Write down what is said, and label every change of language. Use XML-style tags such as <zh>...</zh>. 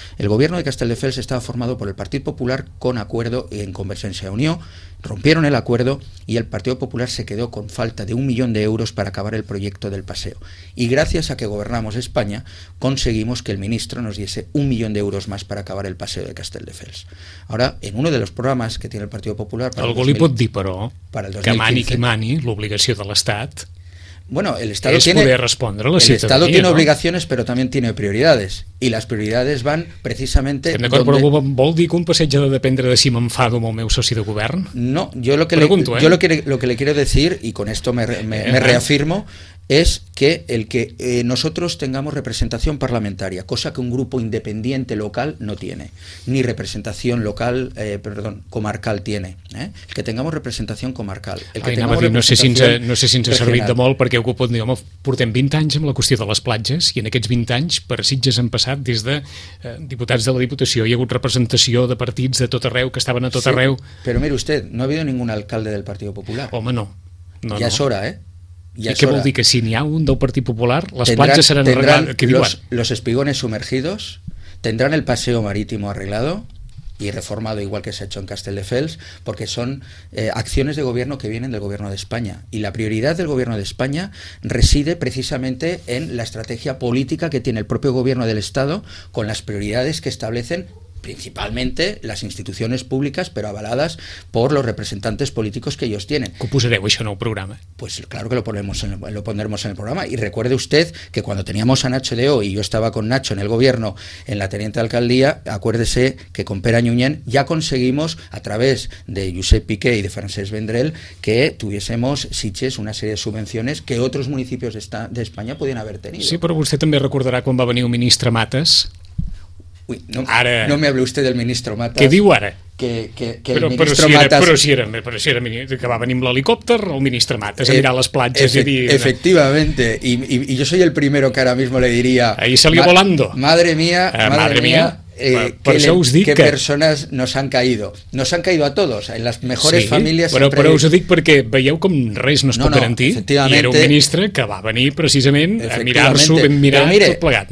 <es>El gobierno de Castelldefels estaba formado por el Partido Popular con acuerdo en Convergencia Unión. Rompieron el acuerdo y el Partido Popular se quedó con falta de 1 millón de euros para acabar el proyecto del paseo. Y gracias a que gobernamos España, conseguimos que el ministro nos diese 1 millón de euros más para acabar el paseo de Castelldefels. Ahora, en uno de los programas que tiene el Partido Popular...</es> <ca>Algo li pot dir, però, para el 2015, que mani qui mani, l'obligació de l'Estat...</ca> <es>Bueno, el Estado tiene obligaciones, pero también tiene prioridades y las prioridades van precisamente.</es> <ca>¿Estem d'acord, donde... però vol dir que un passeig ha de dependre de si m'enfado amb el meu soci de govern?</ca> <es>No, yo lo que pregunto, lo que le quiero decir y con esto me reafirmo es que el que nosotros tengamos representación parlamentaria, cosa que un grupo independiente local no tiene, ni representación local, comarcal tiene, el que tengamos representación comarcal. El que ay, tengamos representación no sé si</es> <ca>ens ha servit de molt, perquè algú pot dir, home, portem 20 anys amb la qüestió de les platges, i en aquests 20 anys per Sitges han passat des de diputats de la Diputació, hi ha hagut representació de partits de tot arreu, que estaven a tot arreu. Però mira,</ca> <es>usted, no ha habido ningún alcalde del Partido Popular.</es> <ca>Home, no. No,</ca> <es>ya no. Es hora,</es> <ca>I què vol dir? Que si n'hi ha un del Partit Popular, les platges seran arreglades?</ca> <es>Los espigones sumergidos tendrán el paseo marítimo arreglado y reformado igual que se ha hecho en Castelldefels, porque son acciones de gobierno que vienen del gobierno de España. Y la prioridad del gobierno de España reside precisamente en la estrategia política que tiene el propio gobierno del Estado con las prioridades que establecen principalmente las instituciones públicas, pero avaladas por los representantes políticos que ellos tienen.</es> <ca>¿Qué pusereu això en el programa?</ca> <es>Pues claro que lo pondremos en el programa. Y recuerde usted que cuando teníamos a Nacho Deo y yo estaba con Nacho en el gobierno, en la teniente de alcaldía, acuérdese que con Pere Añuñén ya conseguimos, a través de Josep Piqué y de Francesc Vendrell, que tuviésemos Sitges una serie de subvenciones que otros municipios de España podían haber tenido. Sí, pero usted también recordará cuando va a venir un ministro Matas. Uy, no, ara, no me hable usted del ministro Matas. ¿Qué digo ahora? Que el ministro Matas... Pero si era que</es> <ca>va a venir amb l'helicòpter, el ministro Matas a mirar les platges i dir...</ca> <es>Efectivamente, y yo soy el primero que ahora mismo le diría... Ahí salió volando. Madre mía. Que persones nos han caído. Nos han caído a todos, en las mejores famílies...</es> <ca>Sí, però us ho dic perquè veieu com res no es pot garantir. I era un ministre que va venir precisament a mirar-s'ho ben mirat tot plegat.</ca>